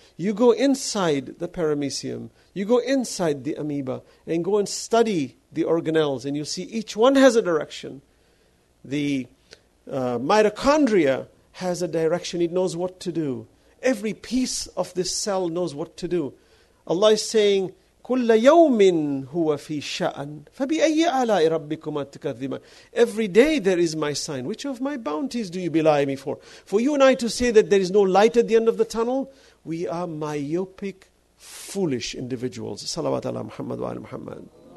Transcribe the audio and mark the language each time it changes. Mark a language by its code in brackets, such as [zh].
[en] You go inside the paramecium. You go inside the amoeba and go and study the organelles. And you see each one has a direction. The mitochondria has a direction. It knows what to do. Every piece of this cell knows what to do. Allah is saying, [ar] كُلَّ يَوْمٍ هُوَ فِي شَأْنٍ فَبِأَيِّ عَلَىٰ رَبِّكُمَ تُكَذِّبَانِ. [en] Every day there is my sign. Which of my bounties do you belie me for? For you and I to say that there is no light at the end of the tunnel, we are myopic, foolish individuals. [ar] Salawat ala Muhammad wa ala Muhammad.